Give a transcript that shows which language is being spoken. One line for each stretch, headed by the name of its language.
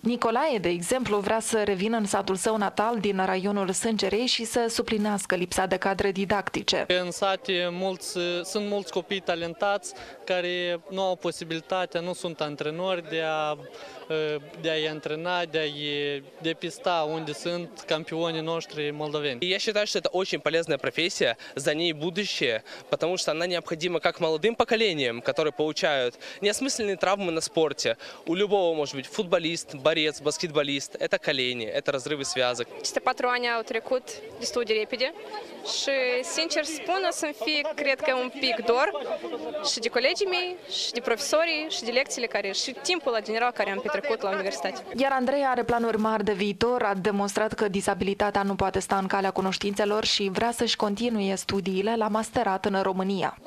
Romanian: Nicolae, de exemplu, vrea să revină în satul său natal din raionul Sângerei și să suplinească lipsa de cadre didactice. În sat sunt mulți copii talentați care nu au posibilitatea, nu sunt antrenori de a-i antrena, de a-i depista unde sunt campionii noștri moldoveni.
Russian: Я считаю, что это очень полезная профессия, за ней будущее, потому что она необходима как молодым поколениям, которые получают неосмысленные травмы на спорте. У любого может быть футболист, борец, баскетболист. Это колени, это разрывы связок.
Romanian: Este 4 ani au trecut destul de repede și, sincer spun, o să-mi fie, cred că, un pic dor și de colegii mei, și de profesorii, și de lecțiile care, și timpul la general care am petrecut la universitate. Iar Andreea are planuri mari de viitor, a demonstrat că disabilitatea nu poate sta în calea cunoștințelor și vrea să-și continue studiile la masterat în România.